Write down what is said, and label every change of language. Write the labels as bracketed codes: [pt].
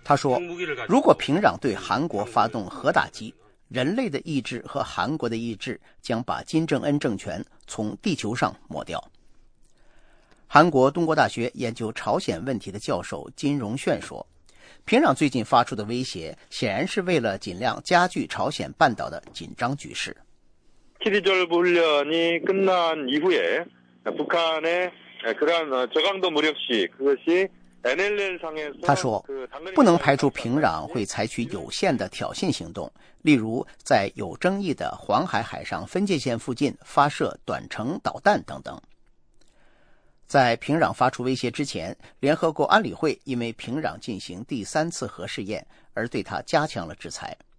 [zh] 他说，如果平壤对韩国发动核打击，人类的意志和韩国的意志将把金正恩政权从地球上抹掉。韩国东国大学研究朝鲜问题的教授金荣炫说，平壤最近发出的威胁显然是为了尽量加剧朝鲜半岛的紧张局势。 [ko] 12.25 훈련이끝난이후에북한의그런저강도무력시그것이 NLL 상에서 [zh] 他说，不能排除平壤会采取有限的挑衅行动，例如在有争议的黄海海上分界线附近发射短程导弹等等。在平壤发出威胁之前，联合国安理会因为平壤进行第三次核试验而对他加强了制裁。